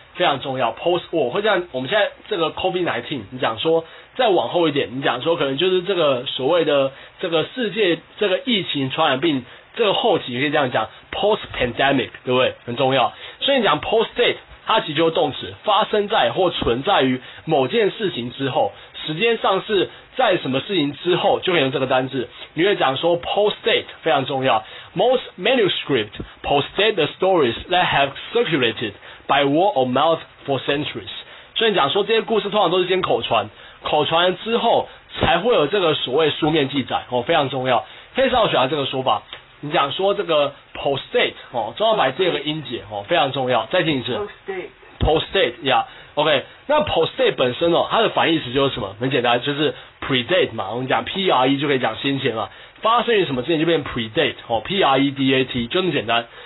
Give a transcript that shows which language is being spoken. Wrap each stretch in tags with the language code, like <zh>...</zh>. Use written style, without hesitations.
<zh>非常重要 post-war 会这样，我们现在这个 COVID-19 你讲说再往后一点，你讲说可能就是这个所谓的这个世界这个疫情传染病这个后期，可以这样讲 post pandemic， 对不对？很重要。所以你讲 post date， 它其实就是动词，发生在或存在于某件事情之后，时间上是在什么事情之后，就可以用这个单字。你会讲说 post date 非常重要。</zh> <en>Most manuscripts post date the stories that have circulated by word of mouth for centuries。</en> <zh>所以你讲说这些故事通常都是先口传。口传之后才会有这个所谓书面记载、哦、非常重要，非常喜欢这个说法，你讲说这个 postdate、哦、中要摆这个音节、哦、非常重要，再听一次</zh> <en>postdate</en> <zh>yeah OK， 那 postdate 本身、哦、它的反义词就是什么，很简单，就是 predate 嘛，我们讲 PRE 就可以讲先前嘛，发生于什么之前就变 predate、哦、PREDAT 就这么简单。</zh>